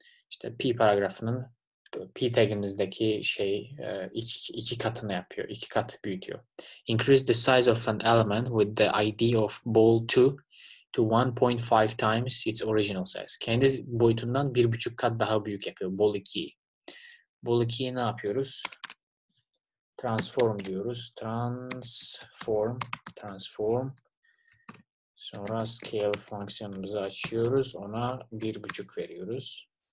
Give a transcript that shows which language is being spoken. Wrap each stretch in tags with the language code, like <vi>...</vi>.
<tr>İşte p paragrafının p tagimizdeki şey iki katını yapıyor, iki kat büyütüyor.</tr> <en>Increase the size of an element with the id of bold 2 to 1.5 times its original size.</en> <tr>Kendi boyutundan 1.5 kat daha büyük yapıyor bold 2'yi. Bold 2'yi ne yapıyoruz? Transform diyoruz. Transform. Sonra scale fonksiyonumuzu açıyoruz. Ona 1.5 veriyoruz.</tr>